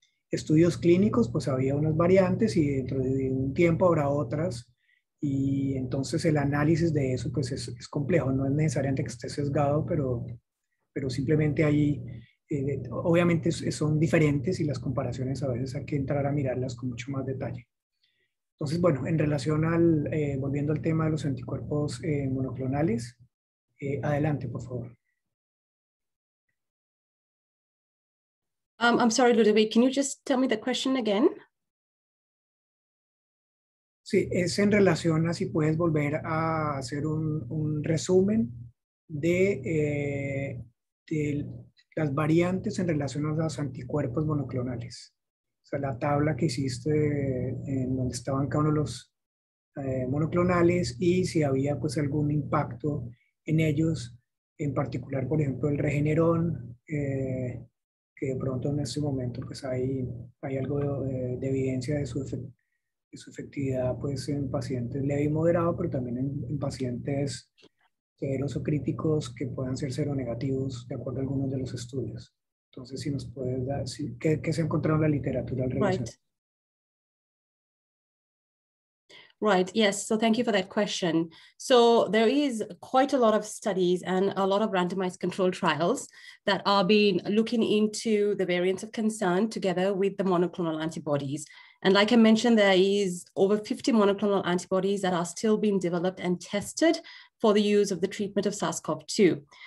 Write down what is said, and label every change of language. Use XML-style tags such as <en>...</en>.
<es>estudios clínicos, pues había unas variantes y dentro de un tiempo habrá otras y entonces el análisis de eso pues es complejo, no es necesariamente que esté sesgado, pero simplemente ahí obviamente son diferentes y las comparaciones a veces hay que entrar a mirarlas con mucho más detalle. Entonces, bueno, en relación al, volviendo al tema de los anticuerpos monoclonales, adelante, por favor.</es> <en>I'm sorry, Ludovic, can you just tell me the question again?</en> <es>Sí, es en relación a si puedes volver a hacer un resumen de las variantes en relación a los anticuerpos monoclonales. O sea, la tabla que hiciste en donde estaban cada uno de los monoclonales y si había pues algún impacto en ellos en particular, por ejemplo, el Regeneron, que de pronto en este momento pues hay algo de evidencia de su efectividad pues en pacientes leve y moderado, pero también en pacientes severos o críticos que puedan ser seronegativos, de acuerdo a algunos de los estudios. Entonces, si nos puedes dar, si, ¿qué se ha encontrado en la literatura al revisar?</es> <en>Right, yes, so thank you for that question. So there is quite a lot of studies and a lot of randomized controlled trials that are being looking into the variants of concern together with the monoclonal antibodies. And like I mentioned, there is over 50 monoclonal antibodies that are still being developed and tested for the use of the treatment of SARS-CoV-2.</en>